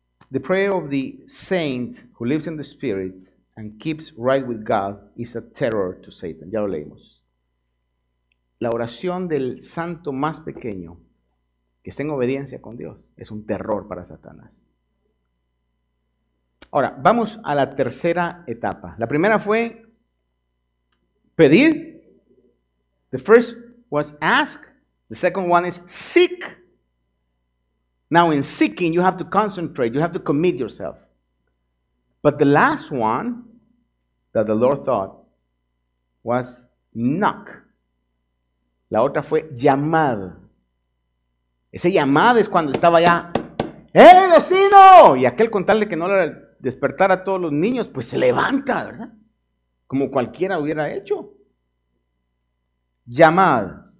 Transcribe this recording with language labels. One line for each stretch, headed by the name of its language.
English: The prayer of the saint who lives in the spirit and keeps right with God is a terror to Satan.
Spanish: Ya lo leímos. La oración del santo más pequeño que está en obediencia con Dios es un terror para Satanás. Ahora, vamos a la tercera etapa. La primera fue pedir.
English: The first was ask. The second one is seek. Now in seeking, you have to concentrate. You have to commit yourself. But the last one that the Lord thought was
Spanish: knock. La otra fue llamad. Ese llamad es cuando estaba ya, ¡eh, vecino! Y aquel, con tal de que no le despertara a todos los niños, pues se levanta, ¿verdad? Como cualquiera hubiera hecho. Llamad.